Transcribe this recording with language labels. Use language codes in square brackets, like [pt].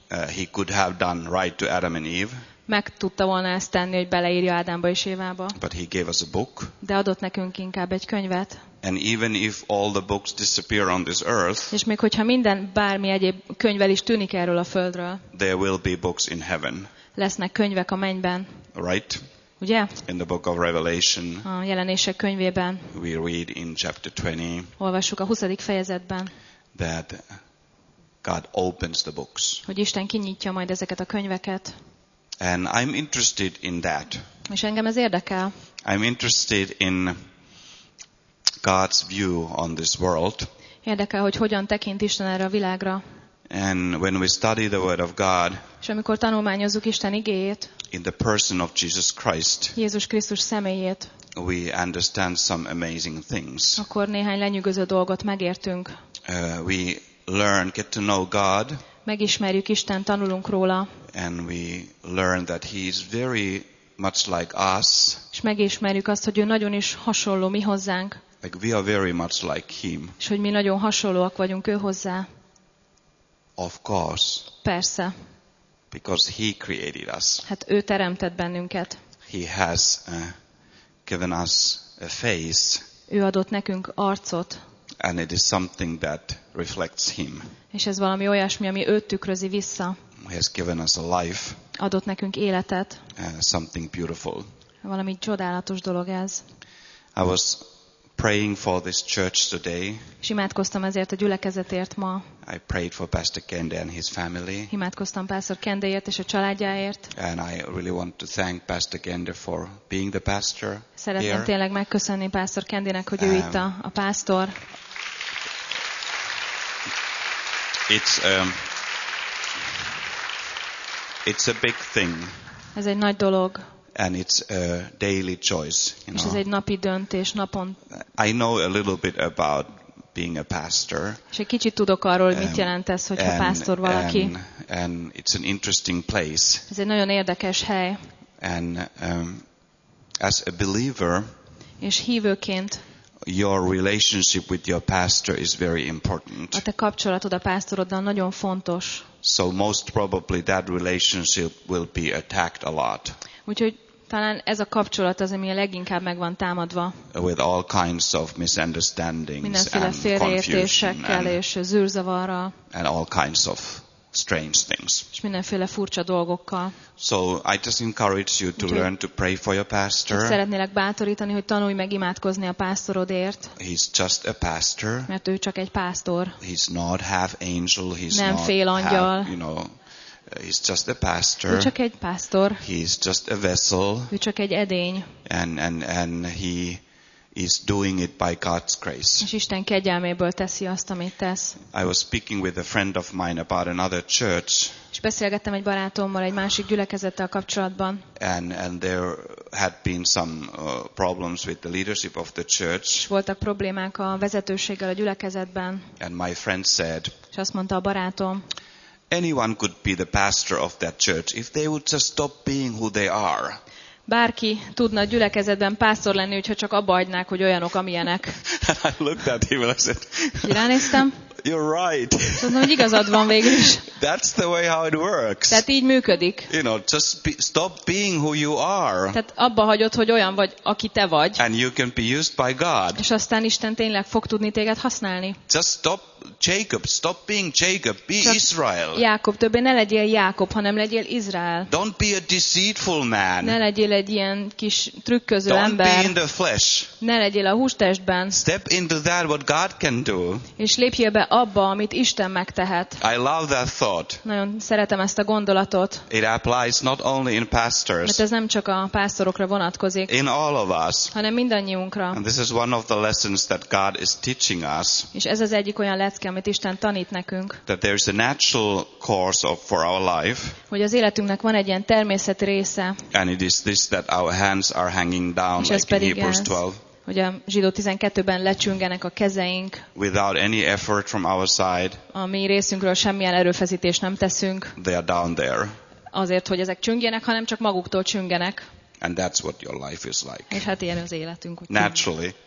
[en] He could have done right to Adam and Eve. [hu] Meg tudta volna ezt tenni, hogy beleírja Ádámba és Évába. [en] But he gave us a book. [hu] De adott nekünk inkább egy könyvet. [en] And even if all the books disappear on this earth. [hu] És még hogyha minden bármi egyéb könyvvel is tűnik erről a földről. [en] There will be books in heaven. [hu] Lesznek könyvek a mennyben. [en] Right? [hu] Ugye? [en] In the book of Revelation. [hu] A jelenések könyvében. [en] We read in chapter 20. [hu] Olvassuk a 20. fejezetben. [en] That God opens the books. [hu] Hogy Isten kinyitja majd ezeket a könyveket. [en] And I'm interested in that. [hu] És engem ez érdekel. [en] I'm interested in God's view on this world. [hu] Érdekel, hogy hogyan tekint Isten erre a világra. [en] And when we study the word of God. [hu] És amikor tanulmányozzuk Isten igéjét. [en] In the person of Jesus Christ. [hu] Jézus Krisztus személyét. [en] We understand some amazing things. [hu] Akkor néhány lenyűgöző dolgot megértünk. [en] We learn, get to know God. [hu] Megismerjük Isten, tanulunk róla. [en] And we learn that he is very much like us. [hu] És megismerjük azt, hogy ő nagyon is hasonló mi hozzánk. [en] Like we are very much like him. [hu] És hogy mi nagyon hasonlóak vagyunk ő hozzá. [en] Of course. [hu] Persze. [en] Because he created us. [hu] Hát ő teremtett bennünket. [en] He has given us a face. [hu] Ő adott nekünk arcot. [en] And it is something that reflects him. [hu] És ez valami olyasmi, ami őt tükrözi vissza. [en] He has given us a life. [hu] Adott nekünk életet. [en] Something beautiful. [hu] Valami csodálatos dolog ez. [en] I was praying for this church today. [hu] És imádkoztam ezért a gyülekezetért ma. [en] I prayed for Pastor Kende and his family. [hu] Imádkoztam Pastor Kendeért és a családjáért. [en] And I really want to thank Pastor Kende for being the pastor. [hu] Szeretném [en] here. [hu] Tényleg megköszönni Pastor Kendének, hogy ő itt a pásztor. [en] It's a big thing. [hu] Ez egy nagy dolog. [en] And it's a daily choice. You [hu] és ez [en] know. [hu] Egy napi döntés, napon. [en] I know a little bit about being a pastor. [hu] És egy kicsit tudok arról, hogy mit jelent ez, hogyha pásztor valaki. [en] And it's an interesting place. [hu] Ez egy nagyon érdekes hely. [en] And as a believer. [hu] És hívőként. [en] Your relationship with your pastor is very important. [hu] A te kapcsolatod a pásztoroddal nagyon fontos. [en] So most probably that relationship will be attacked a lot. [hu] Úgyhogy talán ez a kapcsolat az, ami a leginkább meg van támadva. [en] With all kinds of misunderstandings and confusion. [hu] Mindenféle félreértésekkel és zűrzavarral. [en] And all kinds of strange things. [hu] És mindenféle furcsa dolgokkal. [en] So I just encourage you to learn to pray for your pastor. [hu] Szeretnélek bátorítani, hogy tanulj meg imádkozni a pásztorodért. [en] He's just a pastor. [hu] Mert ő csak egy pásztor. [en] He's not half angel. He's [hu] nem [en] not [hu] fél angyal. [en] Half, you know, he's just a pastor. [hu] Ő csak egy pásztor. [en] He's just a vessel. [hu] Ő csak egy edény. [en] And he is doing it by God's grace. [hu] És Isten kegyelméből teszi azt, amit tesz. [en] I was speaking with a friend of mine about another church. [hu] És beszélgettem egy barátommal egy másik gyülekezettel kapcsolatban. [en] And there had been some problems with the leadership of the church. [hu] És voltak problémák a vezetőséggel a gyülekezetben. [en] And my friend said. [hu] És azt mondta a barátom. [en] Anyone could be the pastor of that church if they would just stop being who they are. [hu] Bárki tudna a gyülekezetben pásztor lenni, hogyha csak abba hagynák, hogy olyanok, amilyenek. [en] I looked at him and I said, [hu] ránéztem. [en] You're right. [hu] Szóval, hogy igazad van végül is. [en] That's the way how it works. [hu] Tehát így működik. [en] You know, just stop being who you are. [hu] Tehát abba hagyod, hogy olyan vagy, aki te vagy. [en] And you can be used by God. [hu] És aztán Isten tényleg fog tudni téged használni. [en] Just stop Jacob, stop being Jacob, be csak Israel. [hu] Jákob, többé ne legyél Jákob, hanem legyél Izrael. [en] Don't be a deceitful man. [hu] Ne legyél egy ilyen kis trükköző [en] Don't [hu] ember. [en] Be in the flesh. [hu] Ne legyél a hústestben. [en] Step into that what God can do. [hu] És lépjél be abba, amit Isten megtehet. [en] I love that thought. [hu] Nagyon szeretem ezt a gondolatot. [en] It applies not only in pastors. [hu] Mert ez nem csak a pásztorokra vonatkozik. [en] In all of us. [hu] Hanem mindannyiunkra. [en] And this is one of the lessons that God is teaching us. [hu] És ez az egyik olyan lecke, amit Isten tanít nekünk. [en] That there is a natural course of for our life. [hu] Hogy az életünknek van egy ilyen természeti része. [en] And it is this that our hands are hanging down like in Hebrews 12. [hu] Hogy a Zsidó 12-ben lecsüngenek a kezeink. [en] Without any effort from our side. [hu] A mi részünkről semmilyen erőfeszítés nem teszünk. [en] They are down there. [hu] Azért, hogy ezek csüngjenek, hanem csak maguktól csüngenek. [en] And that's what your life is like. [hu] És hát ilyen az életünk. [en] Naturally.